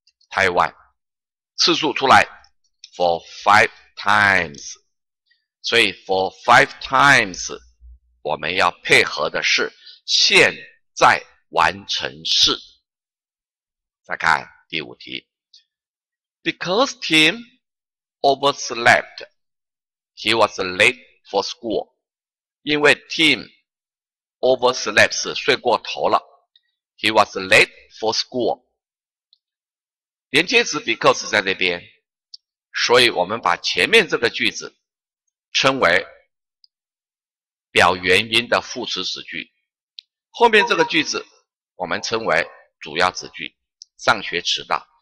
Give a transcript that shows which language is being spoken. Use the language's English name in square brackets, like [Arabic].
[Chinese] Taiwan， 次数出来 [English] for five times， [Chinese] 所以 for five times 我们要配合的是现在完成式。再看第五题。 [English] Because Tim overslept, he was late for school. [Chinese] 因为 [English] Tim overslept [Chinese] 是睡过头了， [English] he was late for school. [Chinese] 连接词 because 在那边，所以我们把前面这个句子称为表原因的副词子句，后面这个句子我们称为主要子句，上学迟到。